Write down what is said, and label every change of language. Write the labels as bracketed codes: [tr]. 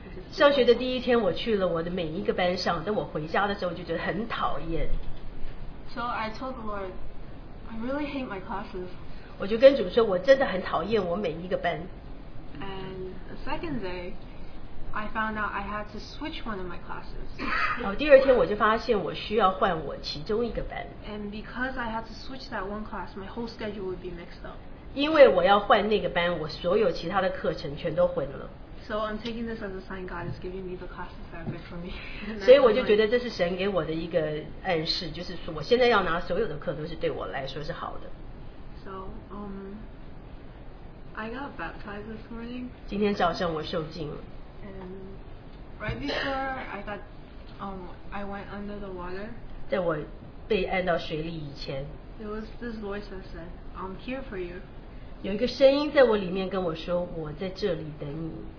[zh] 上学的第一天我去了我的每一个班上，但我回家的时候就觉得很讨厌。 [en] So I told the Lord, I really hate my classes. [zh] 我就跟主说我真的很讨厌我每一个班。 [en] And the second day, I found out I had to switch one of my classes. [zh] 然后第二天我就发现我需要换我其中一个班。 [en] And because I had to switch that one class, my whole schedule would be mixed up. [zh] 因为我要换那个班，我所有其他的课程全都混了。 [en] So I'm taking this as a sign God is giving me the classes that are good for me. [zh] 所以我就觉得这是神给我的一个暗示，就是说我现在要拿所有的课都是对我来说是好的。 [en] So I got baptized this morning. [zh] 今天早上我受浸了。 [en] And right before I got I went under the water. [zh] 在我被按到水里以前。 [en] There was this voice that said, "I'm here for you." [zh] 有一个声音在我里面跟我说，我在这里等你。